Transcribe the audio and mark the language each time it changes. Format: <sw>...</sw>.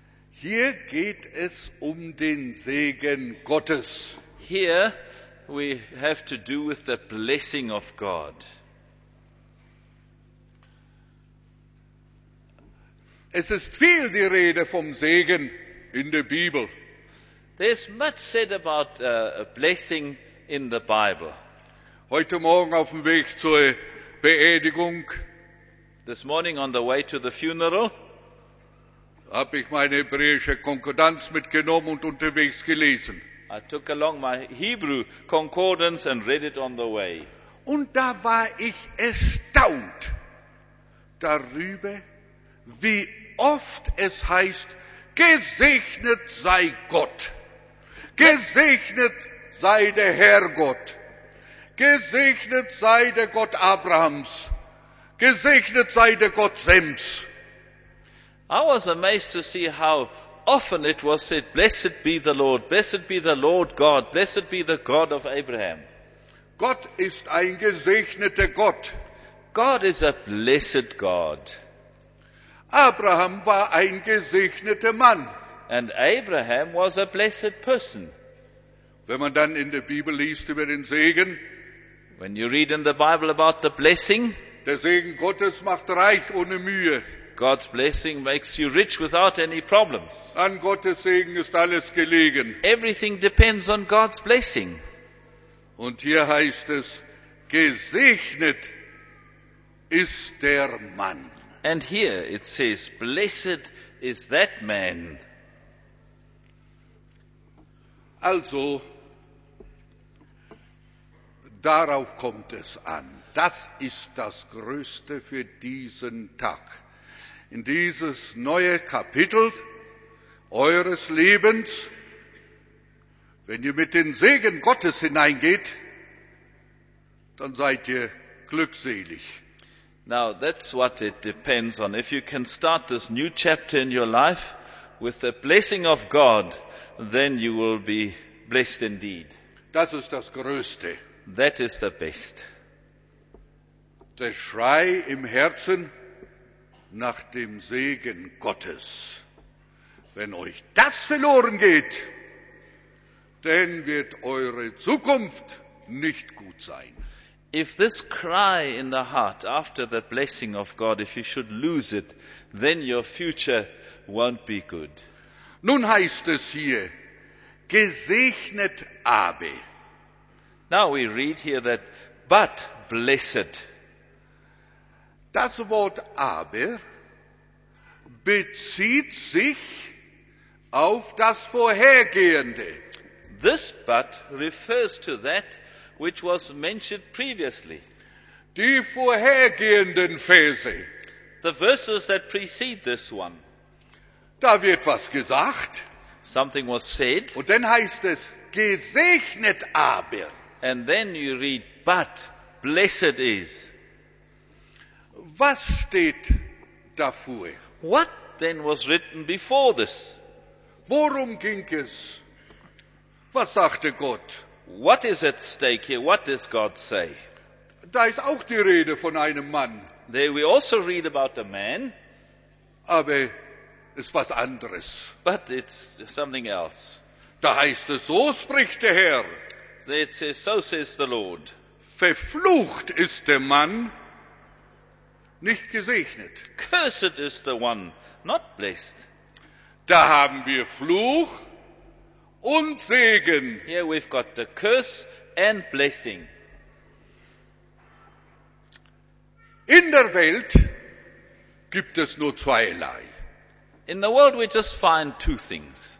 <de>Hier geht es um den Segen Gottes.</de> <en>Here we have to do with the blessing of God.</en> <de>Es ist viel die Rede vom Segen. In der Bibel.</de> <en>There's much said about a blessing in the Bible.</en> <de>Heute Morgen auf dem Weg zur Beerdigung.</de> <en>This morning on the way to the funeral.</en> <de>Habe ich meine hebräische Konkordanz mitgenommen und unterwegs gelesen.</de> <en>I took along my Hebrew concordance and read it on the way.</en> <de>Und da war ich erstaunt darüber, wie oft es heißt, gesegnet sei Gott. Gesegnet sei der Herr Gott. Gesegnet sei der Gott Abrahams. Gesegnet sei der Gott Sems.</de> <en>I was amazed to see how often it was said, blessed be the Lord, blessed be the Lord God, blessed be the God of Abraham.</en> <de>Gott ist ein gesegneter Gott.</de> <en>God is a blessed God.</en> <de>Abraham war ein gesegneter Mann.</de> <en>And Abraham was a blessed person.</en> <de>Wenn man dann in der Bibel liest über den Segen,</de> <en>when you read in the Bible about the blessing,</en> <de>der Segen Gottes macht reich ohne Mühe.</de> <en>God's blessing makes you rich without any problems.</en> <de>An Gottes Segen ist alles gelegen.</de> <en>Everything depends on God's blessing.</en> <de>Und hier heißt es, gesegnet ist der Mann.</de> <en>And here it says, blessed is that man.</en> <de>Also, darauf kommt es an. Das ist das Größte für diesen Tag. In dieses neue Kapitel eures Lebens, wenn ihr mit den Segen Gottes hineingeht, dann seid ihr glückselig.</de> <en>Now, that's what it depends on. If you can start this new chapter in your life with the blessing of God, then you will be blessed indeed.</en> <de>Das ist das Größte.</de> <en>That is the best.</en> <de>Der Schrei im Herzen nach dem Segen Gottes. Wenn euch das verloren geht, dann wird eure Zukunft nicht gut sein.</de> <en>If this cry in the heart after the blessing of God, if you should lose it, then your future won't be good.</en> <de>Nun heißt es hier, gesegnet aber.</de> <en>Now we read here that, but blessed.</en> <de>Das Wort aber bezieht sich auf das Vorhergehende.</de> <en>This but refers to that which was mentioned previously.</en> <de>Die vorhergehenden Verse.</de> <en>The verses that precede this one.</en> <de>Da wird was gesagt.</de> <en>Something was said.</en> <de>Und dann heißt es, gesegnet aber.</de> <en>And then you read, but, blessed is.</en> <de>Was steht dafür?</de> <en>What then was written before this?</en> <de>Worum ging es? Was sagte Gott?</de> <en>What is at stake here? What does God say?</en> <de>Da ist auch die Rede von einem Mann.</de> <en>There we also read about a man.</en> <de>Aber ist was anderes.</de> <en>But it's something else.</en> <de>Da heißt es, so spricht der Herr.</de> <en>It says, so says the Lord.</en> <de>Verflucht ist der Mann, nicht gesegnet.</de> <en>Cursed is the one, not blessed.</en> <de>Da haben wir Fluch und Segen.</de> <en>Here we've got the curse and blessing.</en> <de>In der Welt gibt es nur zweierlei.</de> <en>In the world we just find two things.</en>